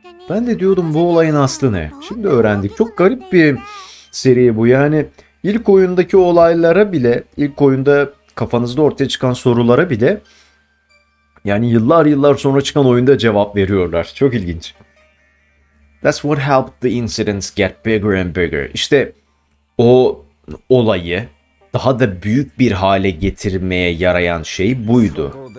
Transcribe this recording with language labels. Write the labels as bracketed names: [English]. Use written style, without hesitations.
[Turkish] Ben de diyordum bu olayın aslı ne? Şimdi öğrendik. Çok garip bir seri bu. Yani ilk oyundaki olaylara bile, ilk oyunda kafanızda ortaya çıkan sorulara bile, yani yıllar yıllar sonra çıkan oyunda cevap veriyorlar. Çok ilginç. [English] That's what helped the incidents get bigger and bigger. [Turkish] İşte o olayı daha da büyük bir hale getirmeye yarayan şey buydu.